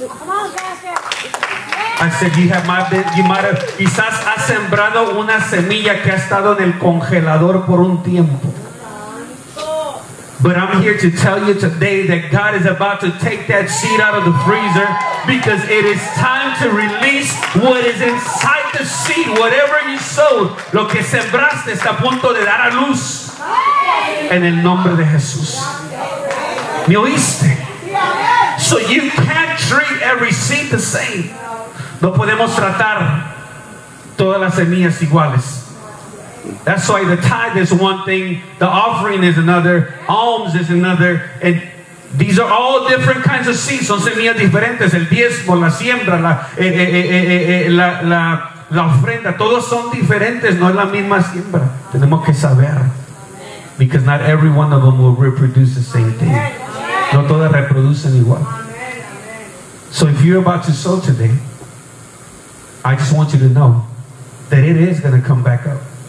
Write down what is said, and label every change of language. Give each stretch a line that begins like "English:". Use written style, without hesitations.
English: I said,
Spanish: quizás has sembrado una semilla que ha estado en el congelador por un tiempo.
English: But I'm here to tell you today that God is about to take that seed out of the freezer, because it is time to release what is inside the seed. Whatever you sowed,
Spanish: lo que sembraste está a punto de dar a luz. En el nombre de Jesús. ¿Me oíste?
English: So you can't treat every seed the same.
Spanish: No podemos tratar todas las semillas iguales.
English: That's why the tithe is one thing, the offering is another, alms is another, and these are all different kinds of seeds.
Spanish: Son semillas diferentes. El diezmo, la siembra, la ofrenda, todos son diferentes. No es la misma siembra. Tenemos que saber,
English: because not every one of them will reproduce the same thing.
Spanish: No todas reproducen igual.
English: So if you're about to sow today, I just want you to know that it is going to come back up.